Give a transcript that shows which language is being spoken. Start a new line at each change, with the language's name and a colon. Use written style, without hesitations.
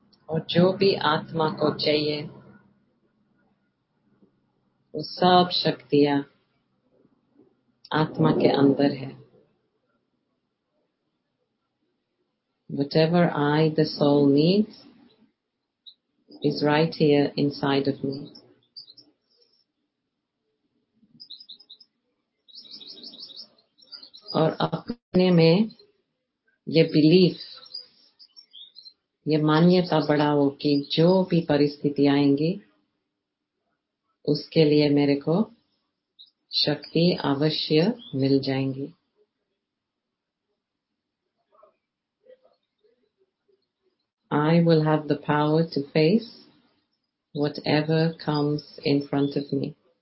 Hindi: और जो भी आत्मा को चाहिए वो सब शक्तियां आत्मा के अंदर है.
English: Whatever I, the soul, needs is right here inside of me.
Hindi: और अपने में ये बिलीफ, ये मान्यता बढ़ाओ कि जो भी परिस्थिति आएंगी उसके लिए मेरे को शक्ति अवश्य मिल जाएंगी।
English: I will have the power to face whatever comes in front of me.